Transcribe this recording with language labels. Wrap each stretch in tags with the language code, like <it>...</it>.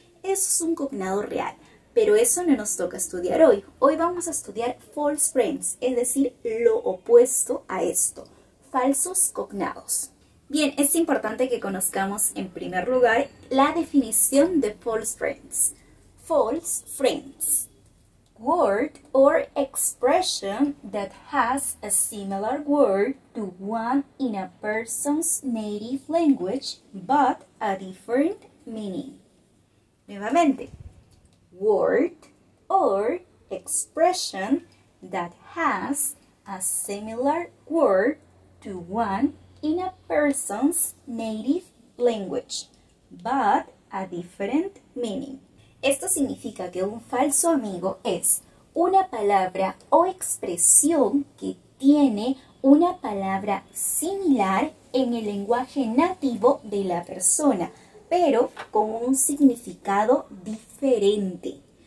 <es>Eso es un cognado real. Pero eso no nos toca estudiar hoy. Hoy vamos a estudiar false friends, es decir, lo opuesto a esto. Falsos cognados. Bien, es importante que conozcamos en primer lugar la definición de false friends.</es> <en>False friends. Word or expression that has a similar word to one in a person's native language, but a different meaning.</en> <es>Nuevamente.</es> <en>Word or expression that has a similar word to one in a person's native language, but a different meaning.</en> <es>Esto significa que un falso amigo es una palabra o expresión que tiene una palabra similar en el lenguaje nativo de la persona, pero con un significado diferente.</es>